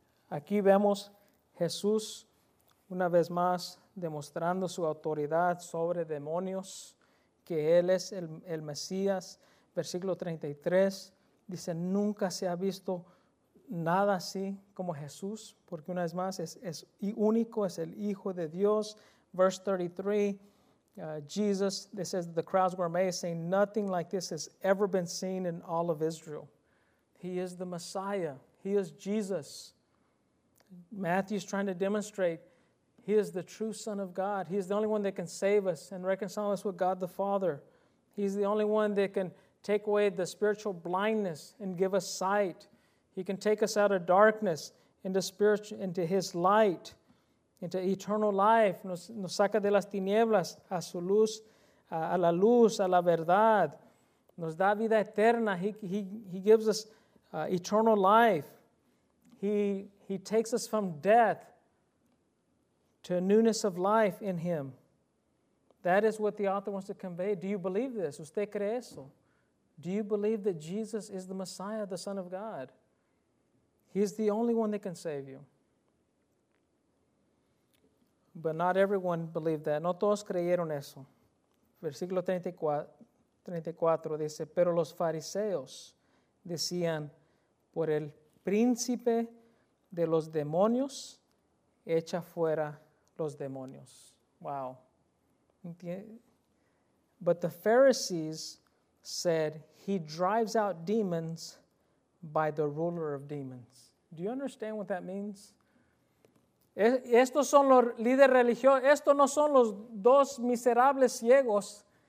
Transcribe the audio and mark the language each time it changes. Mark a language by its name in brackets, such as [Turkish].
[Spanish] Aquí vemos Jesús una vez más demostrando su autoridad sobre demonios, que Él es el Mesías. Versículo 33 dice, nunca se ha visto nada así como Jesús, porque una vez más es único, es el Hijo de Dios. [English] Verse 33, Jesus, this is the crowds were amazed, saying, nothing like this has ever been seen in all of Israel. He is the Messiah. He is Jesus. Matthew is trying to demonstrate He is the true Son of God. He is the only one that can save us and reconcile us with God the Father. He's the only one that can take away the spiritual blindness and give us sight. He can take us out of darkness into His light, into eternal life. [Spanish] Nos saca de las tinieblas a su luz, a la luz, a la verdad. Nos da vida eterna. [English] He gives us eternal life. He takes us from death to a newness of life in Him. That is what the author wants to convey. Do you believe this? [Spanish] ¿Usted cree eso? [English] Do you believe that Jesus is the Messiah, the Son of God? He is the only one that can save you. But not everyone believed that. [Spanish] No todos creyeron eso. Versículo 34 dice, pero los fariseos decían, por el príncipe de los demonios, echa fuera los demonios. [English] Wow. But the Pharisees said, he drives out demons by the ruler of demons. Do you understand what that means? [Spanish] Estos son los líderes religiosos. Estos no son los dos miserables ciegos.